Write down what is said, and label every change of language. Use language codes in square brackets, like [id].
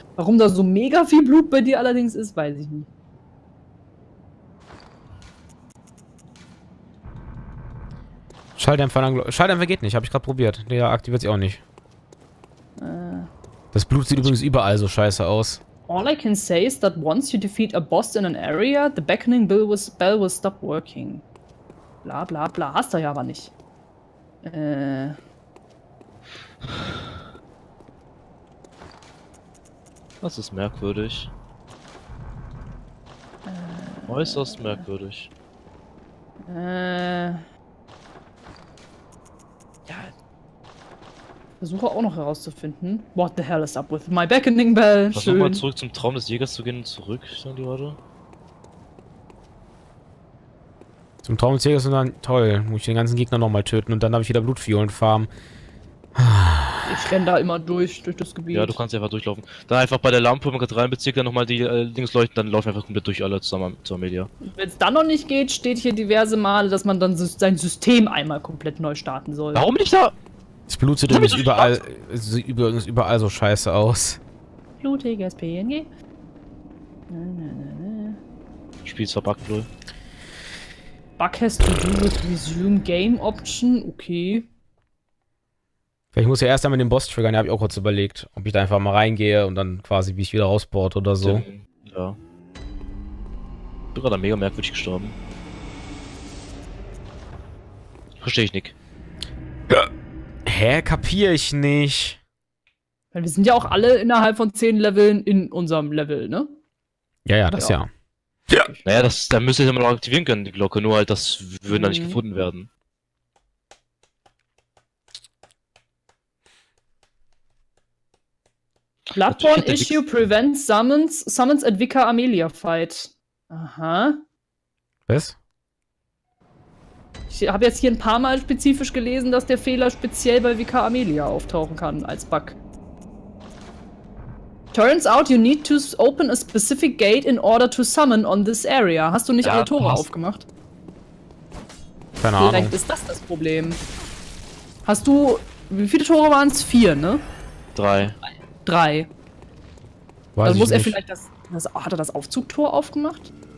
[de] Warum da so mega viel Blut bei dir allerdings ist, weiß ich nicht. Schalldämpfer geht nicht, habe ich gerade probiert. Der aktiviert sich auch nicht. Das Blut sieht übrigens überall so scheiße aus. [en] All I can say is that once you defeat a boss in an area, the beckoning bell will stop working. [de] Bla bla bla, hast du ja aber nicht. Das ist merkwürdig. Äußerst merkwürdig. Ja. Versuche auch noch herauszufinden. [en] What the hell is up with my beckoning bell? [de] Versuch mal zurück zum Traum des Jägers zu gehen und zurück, sagen die Leute. Zum Traum des Jägers und dann. Toll, muss ich den ganzen Gegner nochmal töten und dann darf ich wieder Blutfiolen farmen. Ich renn da immer durch das Gebiet. Ja, du kannst einfach durchlaufen. Dann einfach bei der Lampe, wenn man gerade reinbezieht, dann nochmal die links leuchten, dann laufen einfach komplett durch alle zusammen zur Media. Wenn es dann noch nicht geht, steht hier diverse Male, dass man dann sein System einmal komplett neu starten soll. Warum nicht da? Das Blut sieht übrigens überall, überall so scheiße aus. Blutiges PNG. Spiel ist verbuggt, lol. [en] Bug has to do with resume game option, okay. [de] Vielleicht muss ich ja erst einmal den Boss triggern, da habe ich auch kurz überlegt, ob ich da einfach mal reingehe und dann quasi wie ich wieder rausbohrt oder so. Ja. Bin gerade mega merkwürdig gestorben. Verstehe ich nicht. Hä? Kapier ich nicht. Wir sind ja auch alle innerhalb von 10 Leveln in unserem Level, ne? Ja, das ja. Ja. Naja, das, da müsste ich immer noch aktivieren können, die Glocke, nur halt, das würde da nicht gefunden werden. [en] Bloodborne Issue prevents summons at Vicar Amelia fight. [de] Aha. Was? Ich habe jetzt hier ein paar Mal spezifisch gelesen, dass der Fehler speziell bei Vicar Amelia auftauchen kann als Bug. [en] Turns out you need to open a specific gate in order to summon on this area. [de] Hast du nicht alle Tore aufgemacht? Keine Ahnung. Vielleicht ist das Problem. Hast du. Wie viele Tore waren es? 4, ne? 3. Weiß also muss er vielleicht hat er das Aufzugtor aufgemacht?